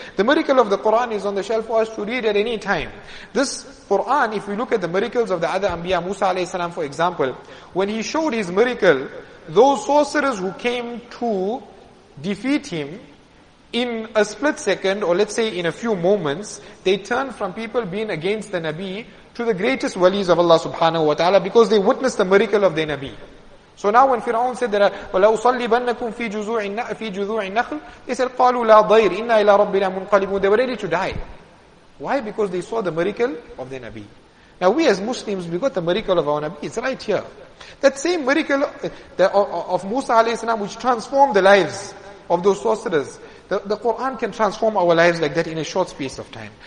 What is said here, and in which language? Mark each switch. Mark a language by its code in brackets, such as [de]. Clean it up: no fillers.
[en] The miracle of the Quran is on the shelf for us to read at any time. This Quran, if we look at the miracles of the other anbiya, Musa alayhi salam for example, when he showed his miracle, those sorcerers who came to defeat him, in a split second, or let's say in a few moments, they turn from people being against the Nabi to the greatest walis of Allah subhanahu wa ta'ala, because they witnessed the miracle of their Nabi. So now when Fir'aun said that, [ar] وَلَوْ صَلِّبَنَّكُمْ فِي جُذُوعِ النَّخْلِ, [en] they said, [ar] قَالُوا لَا ضَيْرِ إِنَّا إِلَىٰ رَبِّنَا مُنْقَلِبُونَ. [en] They were ready to die. Why? Because they saw the miracle of their Nabi. Now we as Muslims, we got the miracle of our Nabi. It's right here. That same miracle of Musa alayhi salam, which transformed the lives of those sorcerers. The Qur'an can transform our lives like that in a short space of time.